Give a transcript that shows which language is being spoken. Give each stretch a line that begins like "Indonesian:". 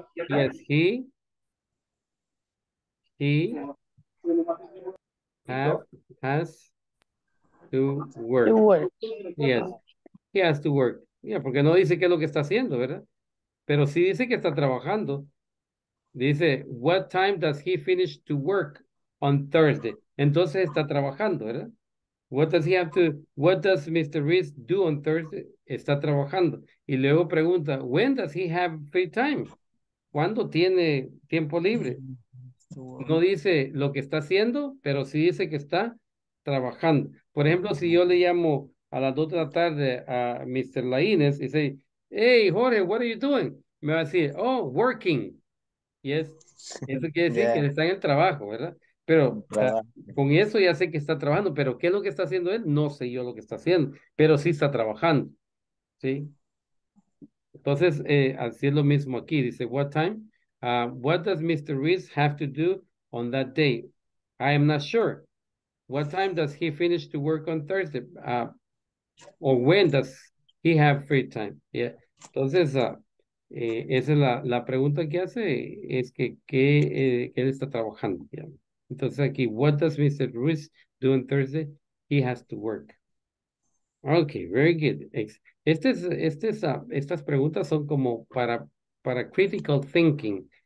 English: Yes, he has to work. To work. Yes, he has to work.
Spanish: Yeah, porque no dice qué es lo que está haciendo, ¿verdad? Pero sí dice que está trabajando.
English: Dice, what time does he finish to work on Thursday?
Spanish: Entonces está trabajando, ¿verdad?
English: What does he have to, what does Mr. Reese do on Thursday?
Spanish: Está trabajando. Y luego pregunta,
English: when does he have free time?
Spanish: ¿Cuándo tiene tiempo libre? No dice lo que está haciendo, pero sí dice que está trabajando. Por ejemplo, si yo le llamo a las 2 de la tarde a Mr.
English: Laínez y say, hey, Jorge, what are you doing?
Spanish: Me va a decir,
English: oh, working. Yes.
Spanish: Eso quiere decir que está en el trabajo, ¿verdad? Pero con eso ya sé que está trabajando, pero ¿qué es lo que está haciendo él? No sé yo lo que está haciendo, pero sí está trabajando, ¿sí? Entonces, así es lo mismo aquí, dice,
English: what time? What does Mr. Reese have to do on that day? I am not sure. What time does he finish to work on Thursday? Or when does he have free time? Yeah.
Spanish: Entonces, esa es la pregunta que hace, es que ¿qué él está trabajando, ¿ya? Entonces aquí,
English: what does Mr. Ruiz do on Thursday? He has to work.
Spanish: Okay, very good. Estas preguntas son como para
English: critical thinking.